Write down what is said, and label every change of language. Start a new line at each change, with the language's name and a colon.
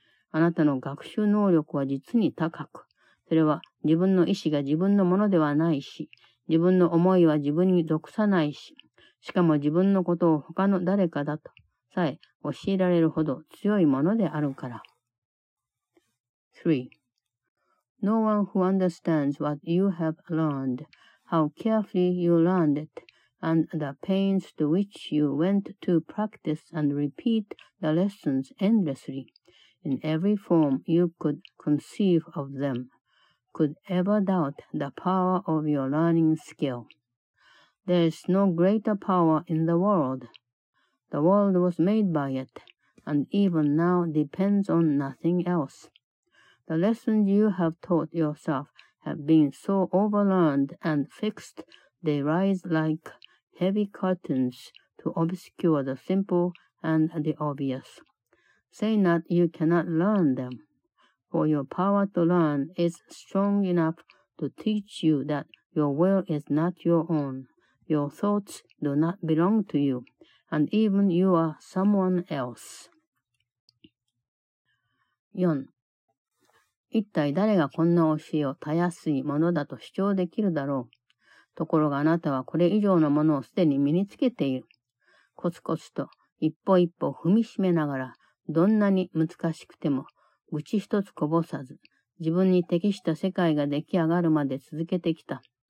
Japanese: あなたの学習能力は実に高く、それは自分の意思が自分のものではないし、自分の思いは自分に属さないし、しかも自分のことを他の誰かだとさえ教えられるほど強いものであるから。 3.
English: No one who understands what you have learned, how carefully you learned it, and the pains to which you went to practice and repeat the lessons endlessly, in every form you could conceive of them, could ever doubt the power of your learning skill. There is no greater power in the world. The world was made by it, and even now depends on nothing else. The lessons you have taught yourself have been so overlearned and fixed, they rise like heavy curtains to obscure the simple and the obvious. Say not you cannot learn them, for your power to learn is strong enough to teach you that your will is not your own, your thoughts do not belong to you, and even you are someone else. 4.
Japanese: 一体誰がこんな教えをたやすいものだと主張できるだろう。ところがあなたはこれ以上のものをすでに身につけている。コツコツと一歩一歩踏みしめながら、どんなに難しくても、愚痴一つこぼさず、自分に適した世界が出来上がるまで続けてきた。